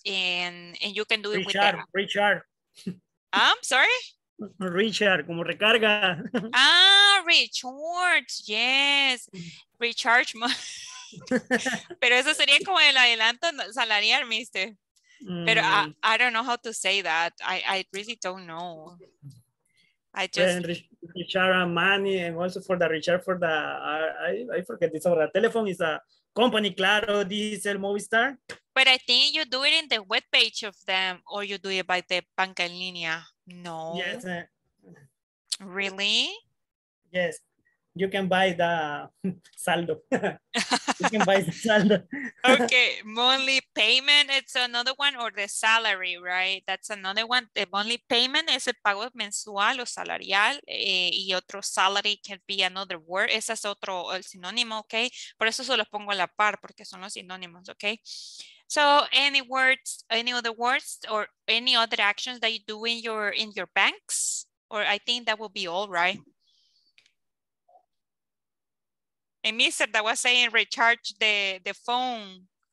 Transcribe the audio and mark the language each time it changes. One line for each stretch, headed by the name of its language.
English: And you can do it with that. Richard. I'm sorry?
Spanish: Richard, como recarga.
English: Ah, recharge. Yes. Recharge money.
Spanish: Pero eso sería como el adelanto salarial, mister.
English: Pero I don't know how to say that. I really don't know. I just Recharge money and also for the recharge for the I forget this over the telephone is a company, Claro, Diesel, Movistar. But I think you do it in the web page of them or you do it by the
Spanish: banca en línea.
English: No. Yes. Really? Yes. You can buy the saldo. You can buy the saldo. Okay, monthly payment, it's another one, or the salary, right? That's another one. The monthly payment
Spanish: es el pago mensual o salarial, y otro
English: salary can be another word.
Spanish: Ese es otro, el sinónimo, okay? Por eso se los pongo a la par, porque son los sinónimos, okay?
English: So any words, any other words, or any other actions that you do in your banks? Or I think that will be all, right? A mister that was saying recharge the phone.